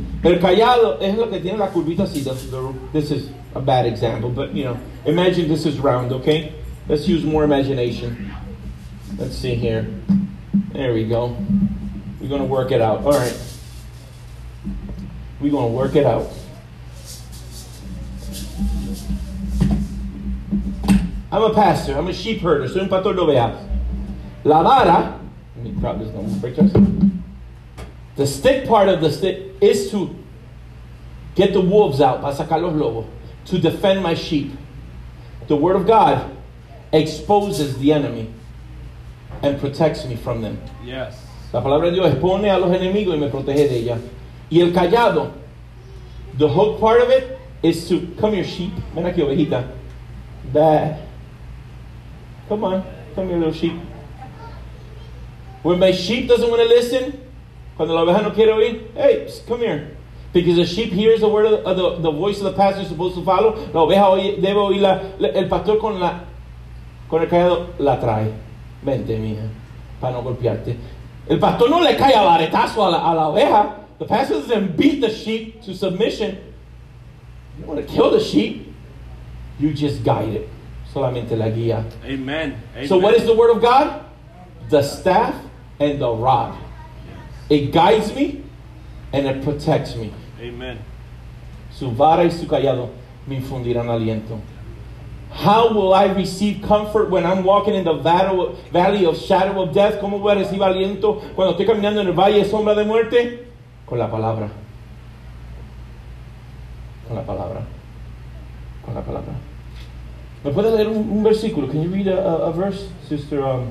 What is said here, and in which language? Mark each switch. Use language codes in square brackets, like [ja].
[es] El callado es lo que tiene la curvita así. [en] This is a bad example, but you know, imagine this is round, okay? Let's use more imagination. Let's see here. There we go. We're going to work it out. All right. We're going to work it out. I'm a pastor. I'm a sheep herder. [es] Soy un pastor de ovejas. La vara. [en] Let me grab this one. Break this. The stick part of the stick is to get the wolves out. [es] Para sacar los lobos. [en] To defend my sheep. The word of God exposes the enemy and protects me from them. Yes. [es] La palabra de Dios expone a los enemigos y me protege de ella. Y el callado, [en] the hook part of it is to come here, sheep. [es] Ven aquí, ovejita. [en] Bad. Come on, come here, little sheep. When my sheep doesn't want to listen, [es] cuando la oveja no quiere oír, [en] hey, come here. Because a sheep hears the word of the voice of the pastor is supposed to follow. [es] La oveja debe oír el pastor con la. Con el callado la trae. Vente, mija, para no golpearte. El pastor no le cae a varetazo a la oveja. [en] The pastor doesn't beat the sheep to submission. You don't want to kill the sheep. You just guide it. [es] Solamente la guía. [en] Amen. Amen. So what is the word of God? The staff and the rod. Yes. It guides me and it protects me. Amen. [es] Su vara y su callado me infundirán aliento. [en] How will I receive comfort when I'm walking in the valley of shadow of death? [es] ¿Cómo voy a recibir aliento cuando estoy caminando en el valle de sombra de muerte? Con la palabra. Con la palabra. Con la palabra. ¿Me puedes leer un versículo? [en] Can you read a verse, sister?